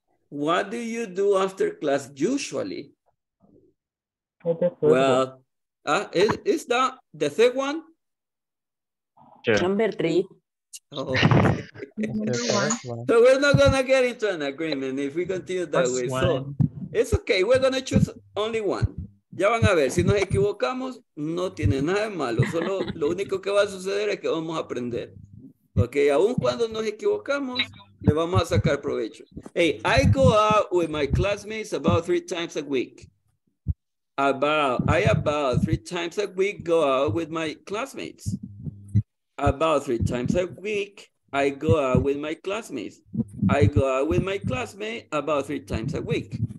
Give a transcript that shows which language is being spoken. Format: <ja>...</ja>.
<en>What do you do after class usually? Well, is that the third one? Sure. Number three. Oh. So we're not gonna get into an agreement if we continue that first way. One. So it's okay. We're gonna choose only one.</en> <es>Ya van a ver. Si nos equivocamos, no tiene nada de malo. Solo lo único que va a suceder es que vamos a aprender. Okay. Aún cuando nos equivocamos, le vamos a sacar provecho.</es> <en>Hey, I go out with my classmates about three times a week. I about three times a week go out with my classmates. About three times a week, I go out with my classmates. I go out with my classmate about three times a week.</en>